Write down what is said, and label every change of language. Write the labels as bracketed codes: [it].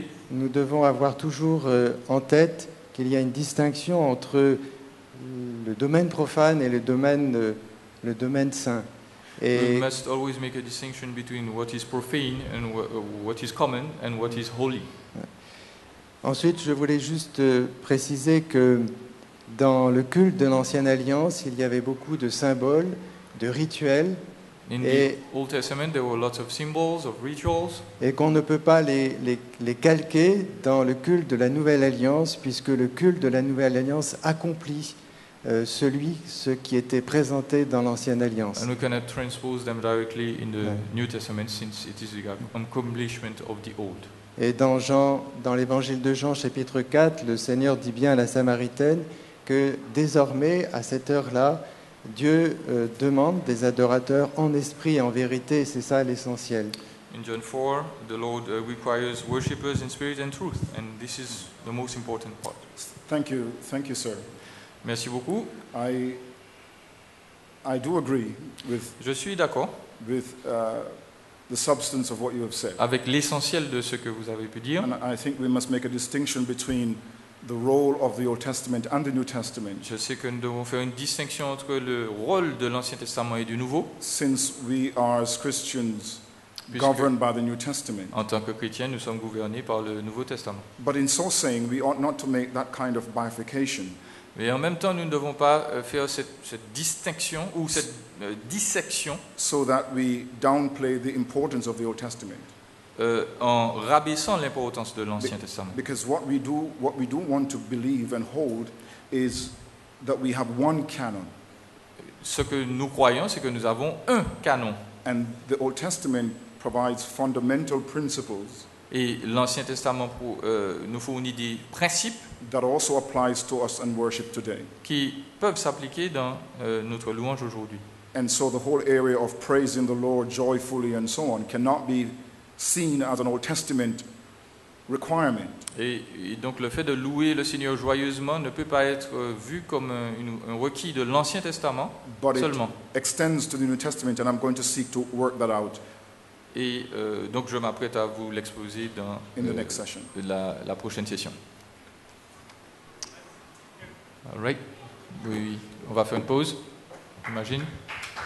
[fr] nous devons avoir toujours en tête qu'il y a une distinction entre le domaine profane et le domaine saint. [en] Et we must always make a distinction between what is profane and what is common and what is holy. [fr] Ensuite, je voulais juste préciser que dans le culte de l'Ancienne Alliance, il y avait beaucoup de symboles, de rituels. [en] In the Old Testament, there were lots of symbols, of rituals. [fr] Et qu'on ne peut pas les calquer dans le culte de la Nouvelle Alliance, puisque le culte de la Nouvelle Alliance accomplit ce qui était présenté dans l'Ancienne Alliance. [en] And we cannot transpose them directly in the New Testament, since it is the accomplishment of the Old. [fr] Et dans Jean, dans l'Évangile de Jean, chapitre 4, le Seigneur dit bien à la Samaritaine que désormais, à cette heure-là, Dieu demande des adorateurs en esprit et en vérité, et c'est ça l'essentiel. [en] In John 4, the Lord requires worshippers in spirit and truth, and this is the most important part. Thank you, sir. [fr] Merci beaucoup. [en] I do agree with. [fr] Je suis d'accord. [en] With the substance of what you have said. [fr] Avec l'essentiel de ce que vous avez pu dire. [en] And I think we must make a distinction between the role of the Old Testament and the New Testament. [fr] Je sais que nous devons faire une distinction entre le rôle de l'Ancien Testament et du Nouveau. [en] Since we are as Christians [fr] Puisque [en] governed by the New Testament. [fr] En tant que chrétiens, nous sommes gouvernés par le Nouveau Testament. [en] But in so saying, we ought not to make that kind of bifurcation. [fr] Mais en même temps, nous ne devons pas faire cette distinction ou cette dissection. [en] So that we downplay the importance of the Old Testament. [fr] En rabaissant l'importance de l'Ancien Testament. [en] Because what we do want to believe and hold is that we have one canon. [fr] Ce que nous croyons, c'est que nous avons un canon. [en] And the Old Testament provides fundamental principles. [fr] Et l'Ancien Testament nous fournit des principes. [en] That also applies to us and worship today. [fr] Qui peuvent s'appliquer dans notre louange aujourd'hui. [en] And so the whole area of praising the Lord joyfully and so on cannot be seen as an Old Testament requirement. [fr] Et donc le fait de louer le Seigneur joyeusement ne peut pas être vu comme un requis de l'Ancien Testament [en] but [fr] seulement. [en] But it extends to the New Testament, and I'm going to seek to work that out. [fr] Et donc je m'apprête à vous l'exposer dans la prochaine session. [en] All right. [fr] Oui, on va faire une pause. Imagine.